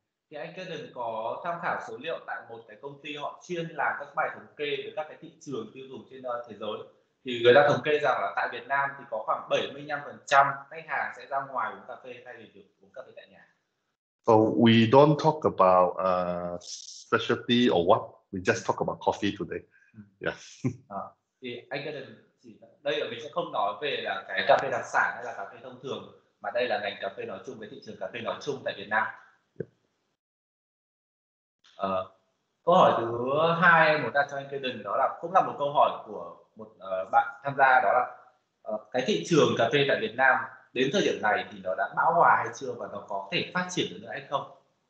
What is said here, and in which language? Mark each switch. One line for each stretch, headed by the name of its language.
Vietnamese: Thì anh Kaden có tham khảo số liệu tại một cái công ty họ chuyên làm các bài thống kê về các cái thị trường tiêu dùng trên thế giới, thì người ta thống kê rằng là tại Việt Nam thì có khoảng 75% khách hàng sẽ ra ngoài uống cà phê thay vì việc uống cà phê tại nhà.
English: So we don't talk about specialty or what, we just talk about coffee today.
Vietnamese: Thì anh Kaden chỉ đây là mình sẽ không nói về là cái cà phê đặc sản hay là cà phê thông thường, mà đây là ngành cà phê nói chung với thị trường cà phê nói chung tại Việt Nam. Câu hỏi thứ hai muốn đặt cho anh Kaden đó là cũng là một câu hỏi của một bạn tham gia, đó là cái thị trường cà phê tại Việt Nam đến thời điểm này thì nó đã bão hòa hay chưa và nó có thể phát triển được nữa hay không?